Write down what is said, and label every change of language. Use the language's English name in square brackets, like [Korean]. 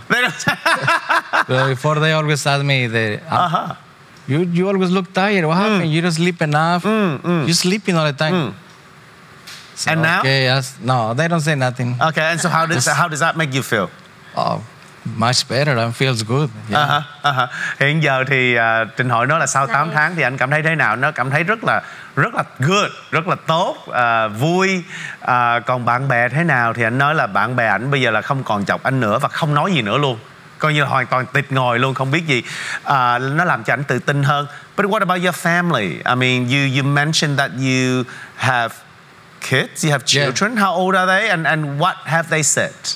[English] They don't say. Well, before they always asked me the You always look tired. What happened? You don't sleep enough. You're sleeping all the time. So, and now? Okay, yes. No, they don't say nothing. Okay, and so how does that make you feel? Oh, much better. It feels good. [Vietnamese] Hiện giờ thì Trình hỏi nó là sau 8 tháng thì anh cảm thấy thế nào? Nó cảm thấy rất là good, rất là tốt, vui. Còn bạn bè thế nào thì anh nói là bạn bè ảnh bây giờ là không còn chọc anh nữa và không nói gì nữa luôn. Coi như là hoàn toàn tịt ngồi luôn, không biết gì. Nó làm cho ảnh tự tin hơn. [English] But what about your family? I mean, you mentioned that you have kids, you have children. Yeah. How old are they, and what have they said?